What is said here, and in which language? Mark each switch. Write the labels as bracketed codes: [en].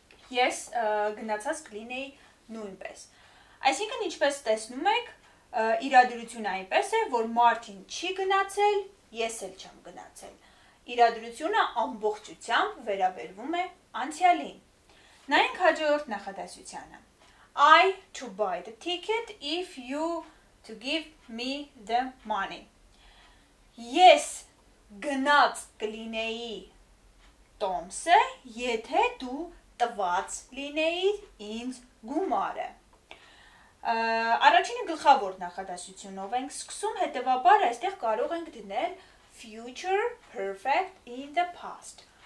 [hy] Ես գնացած կլինեի նույնպես. Այսինքն, ինչպես տեսնում եք, իրադրությունը այնպես է, որ Մարտին չի գնացել, ես էլ չեմ գնացել. Իրադրությունը ամբողջությամբ վերաբերվում է անցյալին. Նայենք հաջորդ նախադասությանը. [en] I to buy the ticket if you to give me the money. [hy] Ես գնաց կլինեի տոմսը, եթե դու տված լինեիր ինձ գումարը։ Առաջինը գլխավոր նախադասությունով ենք սկսում, հետևաբար այստեղ կարող ենք դնել future perfect in the past.